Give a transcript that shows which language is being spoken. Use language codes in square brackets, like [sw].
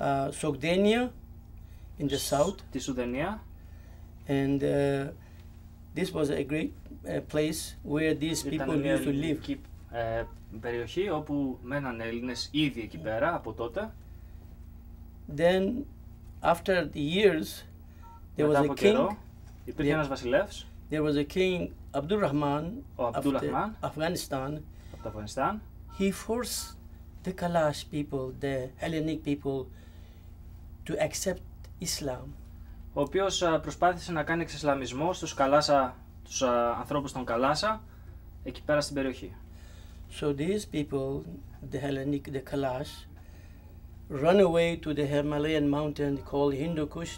[en] Σουδένια in the south. [el] Τη Σουδένια. [en] And this was a great place where these people used to live. [el] Ήταν μια περιοχή όπου μέναν Έλληνες ήδη εκεί πέρα από τότε. [en] Then, after the years, there [el] μετά [en] was a king. [el] Υπήρχε ένας βασιλεύς. [en] There was a king, Abdulrahman, Abdulrahman of Afghanistan. [el] Από το Αφγανιστάν. [en] He forced the Kalash people, the Hellenic people, to accept Islam. [el] Ο οποίος προσπάθησε να κάνει εξισλαμισμό στους Καλάσα, τους ανθρώπους των Καλάσα, εκεί πέρα στην περιοχή. [en] So these people, the Hellenic, the Kalash, run away to the Himalayan mountain called Hindu Kush.